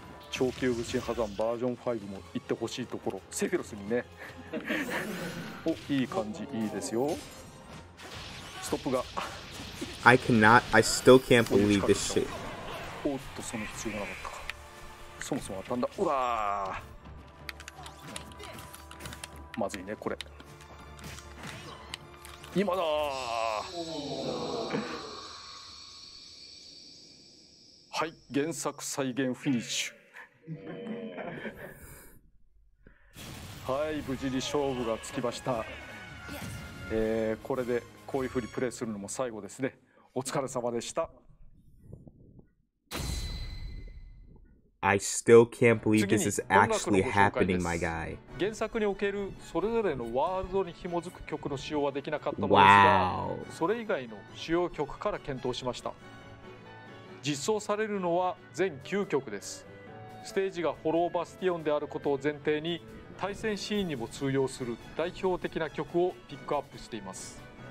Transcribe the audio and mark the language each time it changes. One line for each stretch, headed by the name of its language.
Japanese: 超級武神破山バージョン5も行ってほしいところ、セフィロスにね。お、いい感じ、いいですよ。ストップが。
English: I cannot, I still can't believe this shit。
Japanese: おっと、その必要がなかったか。そもそも当たんだ。うわー、まずいね、これ今だはい、原作再現フィニッシュはい、無事に勝負がつきました。これでこういうふうにプレイするのも最後ですね。お疲れ様でした。
English: I still can't believe this is actually happening, my guy.
Japanese: 原作におけるそれぞれのワールドに紐づく曲の使用はできなかったのですが、
English: wow.
Japanese: それ以外の主要曲から検討しました。実装されるのは全9曲です。ステージがホローバスティオンであることを前提に、対戦シーンにも通用する代表的な曲をピックアップしています。